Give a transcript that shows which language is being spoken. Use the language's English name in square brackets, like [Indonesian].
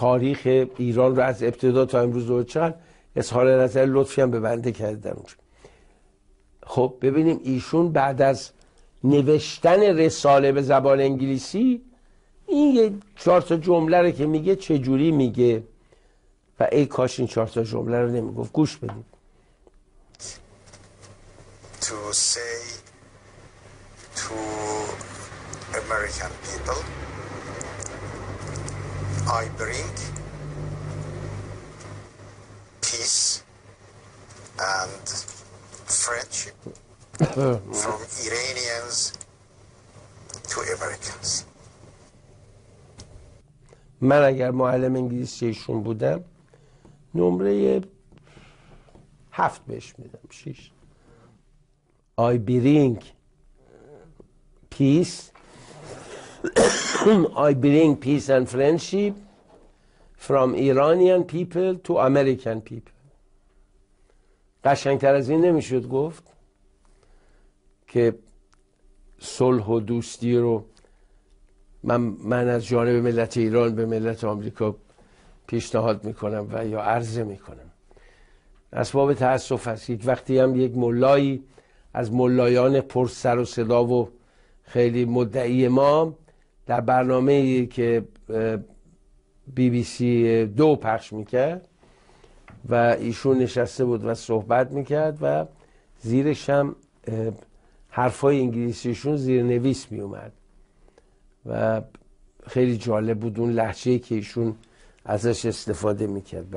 [Persian] تاریخ ایران رو از ابتدا تا امروز رو چقدر اظهار نظر لطفی هم به بنده کرده در اونجا. خب ببینیم ایشون بعد از نوشتن رساله به زبان انگلیسی این یه چهار تا جمله رو که میگه چجوری میگه، و ای کاش این چهار تا جمله رو نمیگفت. گوش بدید. [English] To say to American people, I bring peace and friendship from Iranians to Americans. [Persian] من اگر معلم انگلیسیشون بودم نمره 7 بهش میدم، 6. [English] I bring peace. I bring peace and friendship from Iranian people to American people. [Persian] قشنگتر از این نمیشد گفت که صلح و دوستی رو من از جانب ملت ایران به ملت آمریکا پیشنهاد میکنم و یا عرضه میکنم. اسباب تأسف است که وقتی هم یک ملایی از ملایان پر سر و صدا و خیلی مدعی ما در برنامه که بی بی سی دو پخش میکرد و ایشون نشسته بود و صحبت میکرد و زیرش هم حرفای انگلیسیشون زیر نویس میومد و خیلی جالب بود اون لحظه‌ای که ایشون ازش استفاده میکرد.